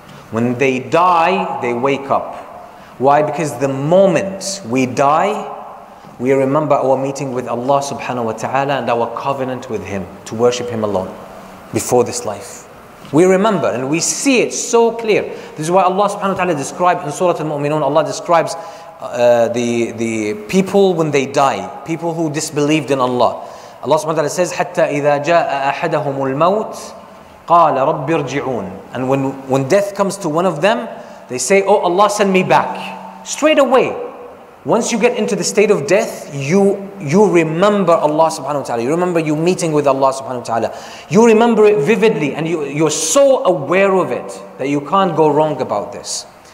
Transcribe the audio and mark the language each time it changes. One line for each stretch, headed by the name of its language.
English: When they die, they wake up. Why? Because the moment we die, we remember our meeting with Allah subhanahu wa ta'ala and our covenant with Him to worship Him alone before this life. We remember and we see it so clear. This is why Allah subhanahu wa ta'ala described in Surah Al-Mu'minun, Allah describes the people when they die, people who disbelieved in Allah. Allah subhanahu wa ta'ala says,
Arabic: حَتَّى إِذَا جَاءَ أَحَدَهُمُ الْمَوْتِ قَالَ رَبِّ ارْجِعُونَ.
English: And when death comes to one of them, they say, oh Allah, send me back. Straight away, once you get into the state of death, you remember Allah subhanahu wa ta'ala. You remember you meeting with Allah subhanahu wa ta'ala. You remember it vividly and you're so aware of it that you can't go wrong about this.